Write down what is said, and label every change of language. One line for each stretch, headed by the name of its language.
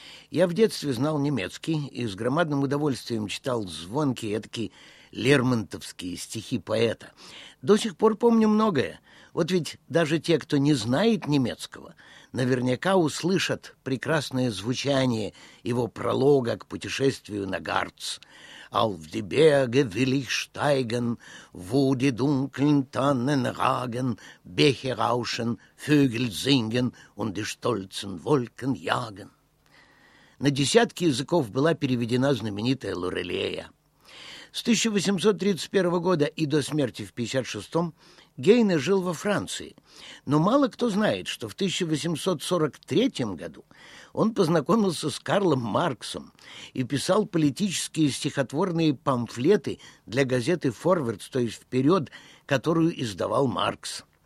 Russian: Я в детстве знал немецкий и с громадным удовольствием читал звонкие эдакие лермонтовские стихи поэта. До сих пор помню многое. Вот ведь даже те, кто не знает немецкого, наверняка услышат прекрасное звучание его пролога к путешествию на Гарц.
German: «Auf die Berge will ich steigen, wo die dunklen Tannen ragen, Bäche rauschen, Vögel singen und die stolzen Wolken jagen».
Russian: На десятки языков была переведена знаменитая Лорелея. С 1831 года и до смерти в 1856 Гейне жил во Франции. Но мало кто знает, что в 1843 году он познакомился с Карлом Марксом и писал политические стихотворные памфлеты для газеты «Форвардс», то есть «Вперед», которую издавал Маркс.